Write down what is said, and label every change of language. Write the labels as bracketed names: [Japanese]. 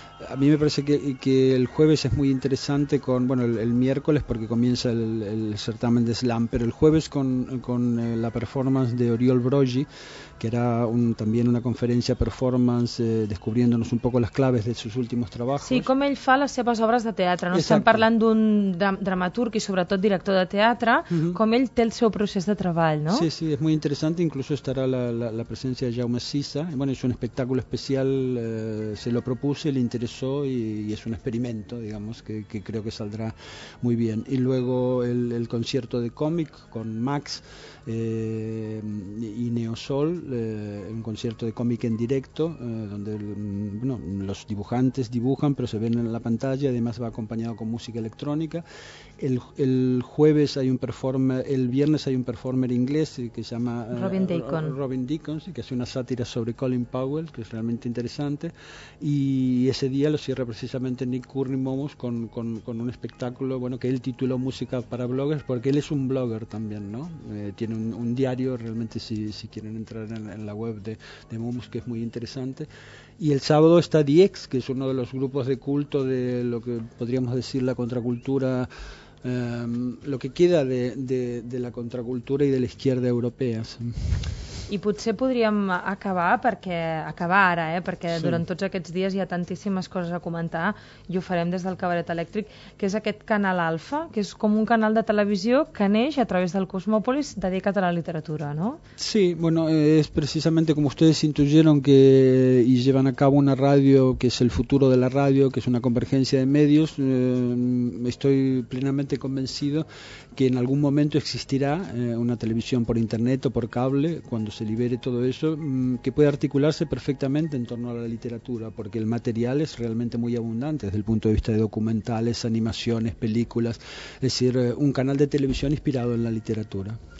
[Spanish] A mí me parece que el jueves es muy interesante con, bueno, el miércoles porque comienza el certamen de slam, pero el jueves con la performance de Oriol Broggi, que era también una conferencia performance, descubriéndonos un poco las claves de sus últimos trabajos. [Catalan] Sí, com ell fa les seves obres de teatre, no? Estem parlant d'un dramaturg i sobretot director de teatre, uh-huh, com ell té el seu procés de treball, no? Sí, sí, és molt interessant, incluso estarà la presència de Jaume Sisa, bueno, és un espectacle especial, [Spanish] se lo propuse, le interesó y es un experimento, digamos, que creo que saldrá muy bien. Y luego el concierto de cómic con Max y Neosol, un concierto de cómic en directo, donde bueno, los dibujantes dibujan, pero se ven en la pantalla, además va acompañado con música electrónica. El jueves hay un performer, el viernes hay un performer inglés que se llama Robin Deacon. Robin Deacon, que hace una sátira sobre Colin Powell, que es realmente interesante, y ese día lo cierra precisamente Nick Curry Momus con un espectáculo, bueno, que él tituló Música para Bloggers, porque él es un blogger también, ¿no? Tiene un diario, realmente, si quieren entrar en la web de Momus, que es muy interesante. Y el sábado está DX, que es uno de los grupos de culto de lo que podríamos decir la contracultura lo que queda de la contracultura y de la izquierda europeas. [Catalan] I potser podríem acabar ara, perquè sí. Durant tots aquests dies hi ha tantíssimes coses a comentar i ho farem des del Cabaret Elèctric, que és aquest canal Alfa, que és com un canal de televisió que neix a través del Cosmópolis dedicat a la literatura, no? [Spanish] Sí, bueno, es precisamente como ustedes intuyeron que y llevan a cabo una radio que es el futuro de la radio, que es una convergencia de medios, estoy plenamente convencido que en algún momento existirá una televisión por internet o por cable, cuando se libere todo eso, que puede articularse perfectamente en torno a la literatura, porque el material es realmente muy abundante desde el punto de vista de documentales, animaciones, películas, es decir, un canal de televisión inspirado en la literatura.